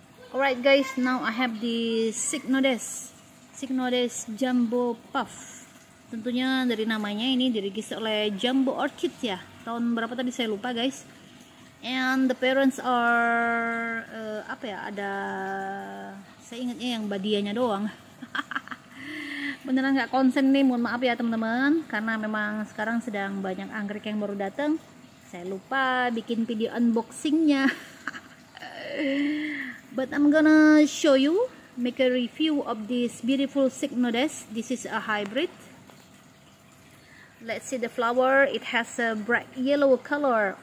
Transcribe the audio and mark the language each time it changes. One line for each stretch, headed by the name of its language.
English: Alright guys, now I have the Signodes. Signodes Jumbo Puff.
Indonesian: Tentunya dari namanya ini dirigis oleh Jumbo Orchid ya. Tahun berapa tadi saya lupa guys.
English: And the parents are
Indonesian: ada, saya ingatnya yang badianya doang. Beneran enggak konsen nih, mohon maaf ya teman-teman, karena memang sekarang sedang banyak anggrek yang baru datang. Saya lupa bikin video unboxing-nya.
English: But I'm gonna show you, make a review of this beautiful Signodes. This is a hybrid. Let's see the flower. It has a bright yellow color.